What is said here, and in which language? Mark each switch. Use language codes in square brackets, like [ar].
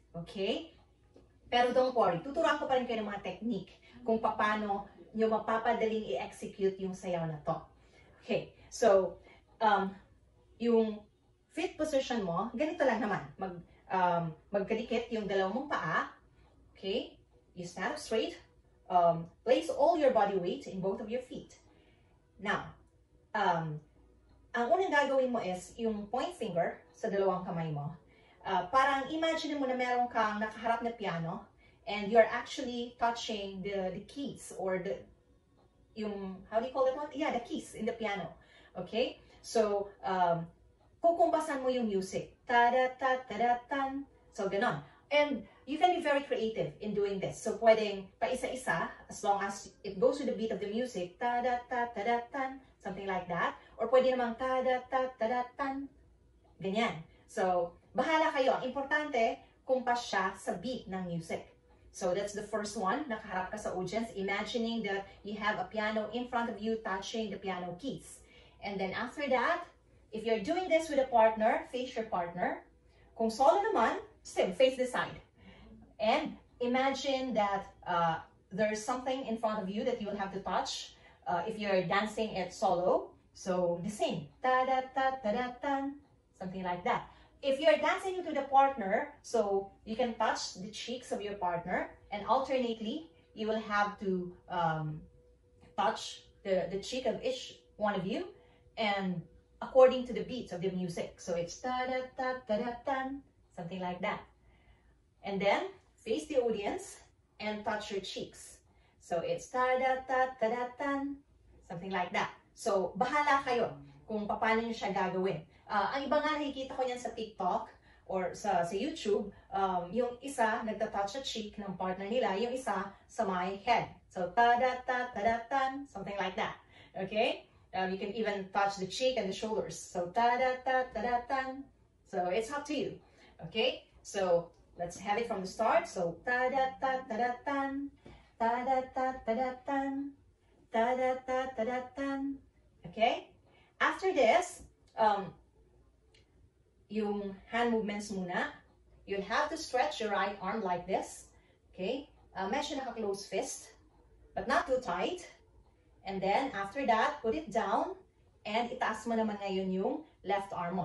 [tl] Okay? Pero don't worry, tuturuan ko pa rin kayo ng mga technique kung paano nyo mapapadaling i-execute yung sayaw na to. Okay, so yung feet position mo, ganito lang naman. Magkadikit yung dalawang mong paa. [en] Okay, you stand up straight. Place all your body weight in both of your feet. [tl] Now, ang unang gagawin mo is yung point finger sa dalawang kamay mo. Parang imagine mo na meron kang nakaharap na [en] piano and you're actually touching the keys or the yung how do you call it one? Yeah, the keys in the piano. Okay? [tl] So kukumpasan mo yung music. Ta da ta ta da tan. So ganon. [en] And you can be very creative in doing this. [tl] So pwedeng paisa-isa [en] as long as it goes with the beat of the music. Ta da ta ta da tan, something like that. Or [tl] pwede namang [en] ta da ta ta da tan. Ganyan. [tl] So bahala kayo. Importante, kumpas siya sa beat ng music. [en] So, that's the first one. [tl] Nakaharap ka sa audience. [en] Imagining that you have a piano in front of you touching the piano keys. And then after that, if you're doing this with a partner, face your partner. [tl] Kung solo naman, [en] still, face the side. And imagine that there's something in front of you that you will have to touch if you're dancing it solo. So, the same. Ta-da-ta-ta-da-tan. Something like that. If you're dancing with a partner, so you can touch the cheeks of your partner, and alternately, you will have to touch the cheek of each one of you, and according to the beat of the music. So it's ta-da-ta-ta-da-tan, something like that. And then, face the audience and touch your cheeks. So it's ta-da-ta-ta-da-tan, something like that. [tl] So, bahala kayo kung paano nyo siya gagawin. Ang iba nga nakikita ko niyan sa TikTok or sa YouTube, yung isa nagta-touch sa cheek ng partner nila, yung isa sa my head. [en] So, ta-da-ta-ta-da-tan, something like that. Okay? You can even touch the cheek and the shoulders. So, ta-da-ta-ta-da-tan. So, it's up to you. Okay? So, let's have it from the start. So, ta-da-ta-ta-da-tan, ta-da-ta-ta-da-tan, ta-da-ta-ta-da-tan. Okay? After this, [tl] yung hand movements muna, [en] you'll have to stretch your right arm like this. Okay? [tl] Medyo naka-close fist, but not too tight. [en] And then, after that, put it down, and [tl] itaas mo naman ngayon yung left arm mo.